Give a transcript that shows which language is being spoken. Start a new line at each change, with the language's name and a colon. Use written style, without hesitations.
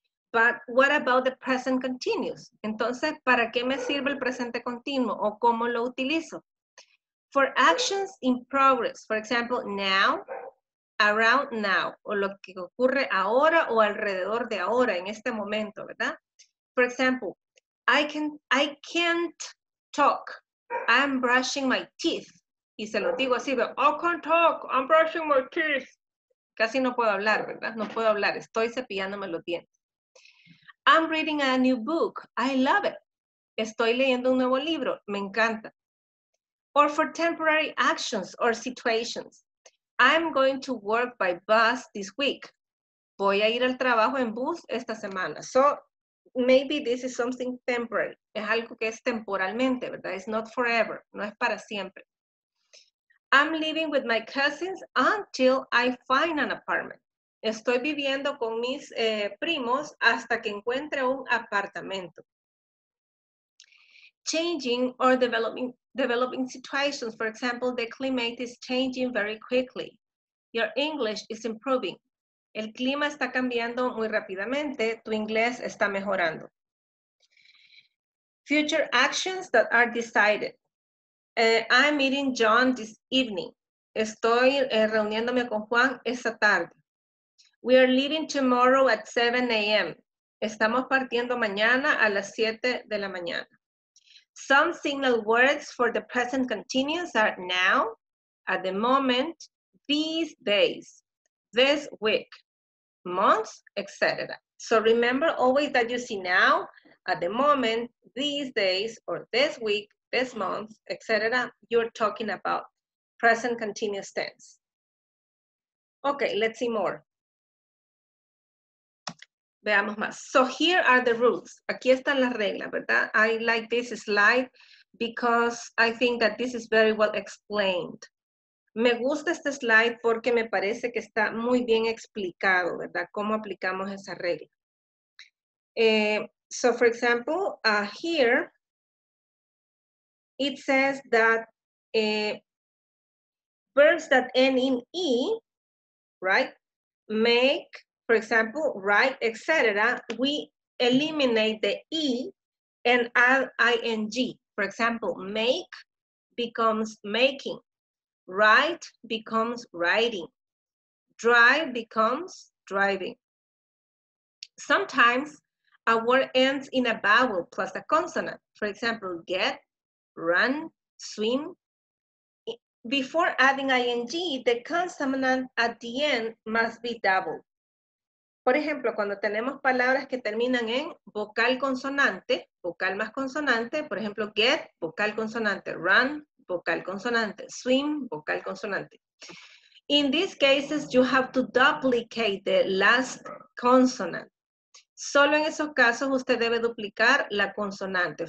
English: But what about the present continuous?
Spanish: Entonces, ¿para qué me sirve el presente continuo o cómo lo utilizo?
English: For actions in progress, for example, now, around now,
Spanish: o lo que ocurre ahora o alrededor de ahora, en este momento, ¿verdad?
English: For example, I can't talk, I'm brushing my teeth.
Spanish: Y se lo digo así,
English: but I can't talk, I'm brushing my teeth.
Spanish: Casi no puedo hablar, ¿verdad? No puedo hablar, estoy cepillándome los dientes.
English: I'm reading a new book. I love it.
Spanish: Estoy leyendo un nuevo libro. Me encanta.
English: Or for temporary actions or situations. I'm going to work by bus this week.
Spanish: Voy a ir al trabajo en bus esta semana.
English: So maybe this is something temporary.
Spanish: Es algo que es temporalmente, ¿verdad?
English: It's not forever.
Spanish: No es para siempre.
English: I'm living with my cousins until I find an apartment.
Spanish: Estoy viviendo con mis primos hasta que encuentre un apartamento.
English: Changing or developing situations. For example, the climate is changing very quickly. Your English is improving.
Spanish: El clima está cambiando muy rápidamente. Tu inglés está mejorando.
English: Future actions that are decided. I'm meeting John this evening.
Spanish: Estoy reuniéndome con Juan esta tarde.
English: We are leaving tomorrow at 7 a.m.
Spanish: Estamos partiendo mañana a las 7 de la mañana.
English: Some signal words for the present continuous are now, at the moment, these days, this week, months, etc. So remember always that you see now, at the moment, these days, or this week, this month, etc. You're talking about present continuous tense. Okay, let's see more.
Spanish: Veamos más.
English: So here are the rules.
Spanish: Aquí están las reglas, ¿verdad?
English: I like this slide because I think that this is very well explained.
Spanish: Me gusta este slide porque me parece que está muy bien explicado, ¿verdad? Cómo aplicamos esa regla.
English: So for example, here it says that verbs that end in E, right, make, for example, write, etc., we eliminate the E and add ing. For example, make becomes making, write becomes writing, drive becomes driving. Sometimes a word ends in a vowel plus a consonant. For example, get, run, swim. Before adding ing, the consonant at the end must be double.
Spanish: Por ejemplo, cuando tenemos palabras que terminan en vocal consonante, vocal más consonante, por ejemplo, get, vocal consonante, run, vocal consonante, swim, vocal consonante.
English: In these cases, you have to duplicate the last consonant.
Spanish: Solo en esos casos usted debe duplicar la consonante.